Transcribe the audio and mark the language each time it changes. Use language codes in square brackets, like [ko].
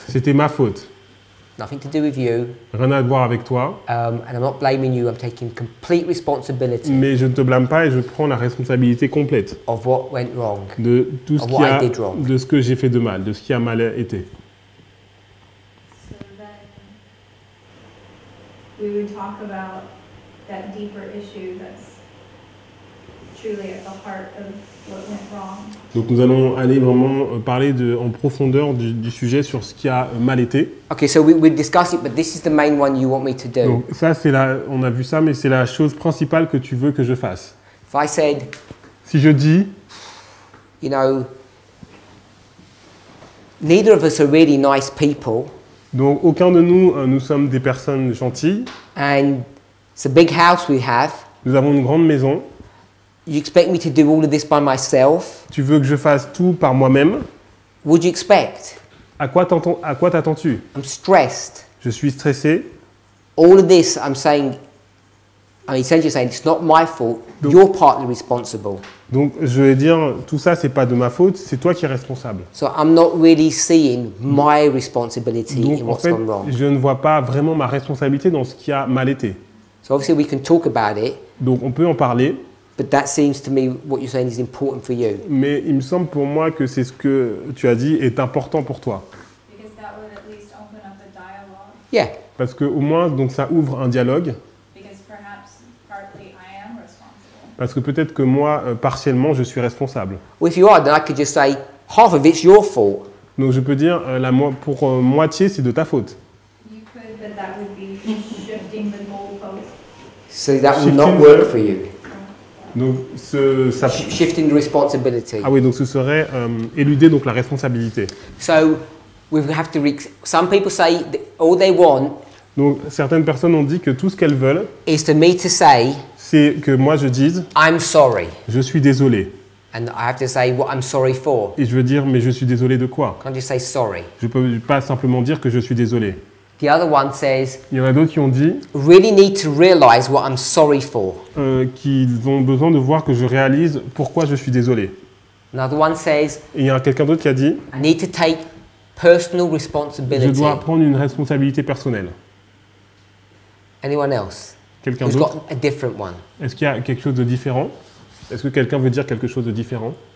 [fr] C'était ma faute. [en] Nothing to do with you. [fr] Rien à voir avec toi. [en] And I'm not blaming you. I'm taking complete responsibility. [fr] Mais je ne te blâme pas et je prends la responsabilité complète. [en] Of what went wrong. [fr] De tout ce qui a, de ce que j'ai fait de mal, de ce qui a mal été. [en] So then we would talk about that deeper issue that's truly at the heart of what went wrong. [fr] Donc nous allons aller vraiment parler en profondeur du sujet sur ce qui a mal été. [en] Okay, so we discuss it, but this is the main one you want me to do. [fr] Donc ça c'est la, on a vu ça, mais c'est la chose principale que tu veux que je fasse. [en] If I said, [fr] si je dis, [en] you know, neither of us are really nice people. [fr] Donc aucun de nous, nous sommes des personnes gentilles. [en] And it's a big house we have. [fr] Nous avons une grande maison. [en] You expect me to do all of this by myself? [fr] Tu veux que je fasse tout par moi-même? [en] Would you expect? [fr] À quoi t'attends-tu? [en] I'm stressed. [fr] Je suis stressé. [en] All of this, I'm essentially saying it's not my fault. Donc, you're partly responsible. [fr] Donc je vais dire tout ça c'est pas de ma faute, c'est toi qui es responsable. [en] So I'm not really seeing my responsibility [fr] donc, [en] in what's gone wrong. [fr] Je ne vois pas vraiment ma responsabilité dans ce qui a mal été. [en] So obviously we can talk about it. [fr] Donc on peut en parler. [en] But that seems to me what you're saying is important for you. [fr] Mais il me semble pour moi que c'est ce que tu as dit est important pour toi. [en] Because that would at least open up a dialogue. Yeah. [fr] Parce que au moins donc ça ouvre un dialogue. [en] Because perhaps partly I am responsible. [fr] Parce que peut-être que moi, partiellement, je suis responsable. [en] Well, if you are, then I could just say half of it's your fault. [fr] Donc je peux dire la pour moitié, c'est de ta faute. [en] You could, but that would be shifting the goalposts. So that would not work for you. [fr] Donc ce, ça... [en] Shifting the responsibility. [fr] Ah oui, donc ce serait éluder donc la responsabilité. [en] So we have to. Some people say that all they want. [fr] Donc certaines personnes ont dit que tout ce qu'elles veulent. [en] Is to me to say. [fr] C'est que moi je dise. [en] I'm sorry. [fr] Je suis désolé. [en] And I have to say what I'm sorry for. [fr] Et je veux dire, mais je suis désolé de quoi? [en] Can't you say sorry? [fr] Je peux pas simplement dire que je suis désolé. [en] The other one says. [fr] Il y en a d'autres qui ont dit. [en] Really need to realize what I'm sorry for. [fr] Qu'ils ont besoin de voir que je réalise pourquoi je suis désolé. [en] Another one says. [fr] Et il y a quelqu'un d'autre qui a dit. [en] I need to take personal responsibility. [fr] Je dois prendre une responsabilité personnelle. [en] Anyone else? [fr] Quelqu'un [en] who's [fr] d'autre? [en] Got a different one. [fr] Est-ce qu'il y a quelque chose de différent? Est-ce que quelqu'un veut dire quelque chose de différent?